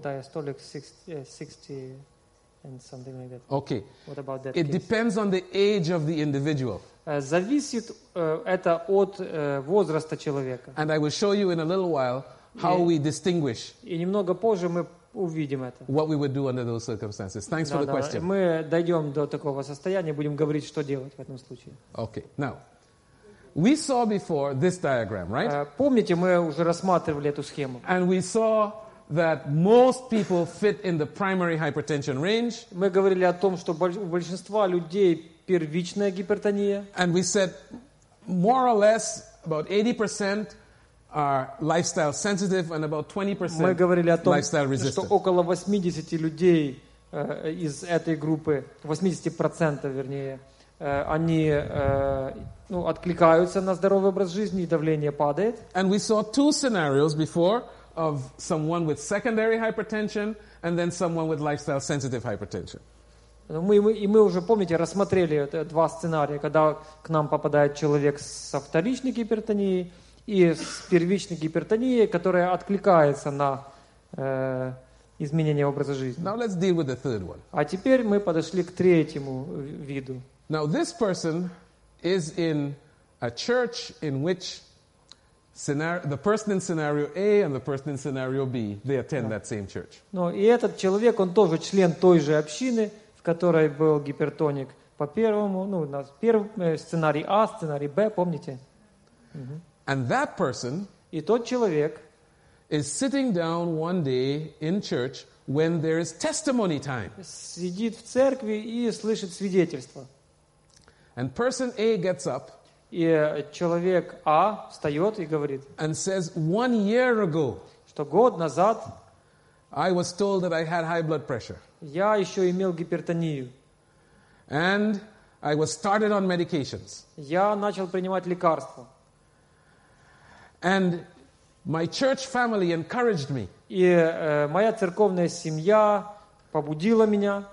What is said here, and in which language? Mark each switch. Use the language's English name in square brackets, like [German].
[English] Diastolic 60 and something like that. Okay. What about that? It depends on the age of the individual. [Russian] Зависит это от возраста человека. [English] And I will show you in a little while how we distinguish. [Russian] И немного позже мы увидим это. [English] What we would do under those circumstances. Thanks for the question. [Russian] Мы дойдем до такого состояния, будем говорить, что делать в этом случае. [English] Okay. Now. We saw before this diagram, right? [Russian] Помните, мы уже рассматривали эту схему. [English] And we saw that most people fit in the primary hypertension range. [Russian] Мы говорили о том, что у большинства людей первичная гипертония. [English] And we said more or less about 80% are lifestyle sensitive and about 20% [Russian] мы говорили о том, [English] lifestyle resistant. [Russian] Что около 80 людей из этой группы, 80% вернее, они ну, откликаются на здоровый образ жизни, и давление падает. [English] And we saw two scenarios before of someone with secondary hypertension and then someone with lifestyle sensitive hypertension. [Russian] Мы уже, помните, рассмотрели два сценария, когда к нам попадает человек со вторичной гипертонией и с первичной гипертонией, которая откликается на изменение образа жизни. [English] Now let's deal with the third one. [Russian] А теперь мы подошли к третьему виду. [English] Now this person is in a church in which the person in scenario A and the person in scenario B, they attend that same church. [Russian] Но и этот человек, он тоже член той же общины, в которой был гипертоник по первому, ну, на первый сценарий А, сценарий Б, помните? [English] And that person, [Russian] и тот человек, [English] is sitting down one day in church when there is testimony time. [Russian] Сидит в церкви и слышит свидетельство. [English] And person A gets up, [Russian] и человек А встает и говорит, [English] and says, 1 year ago, [Russian] что год назад, [English] I was told that I had high blood pressure. [Russian] Я еще имел гипертонию. [English] And I was started on medications. [Russian] Я начал принимать лекарства. [English] And my church family encouraged me. [Russian] И моя церковная семья побудила меня.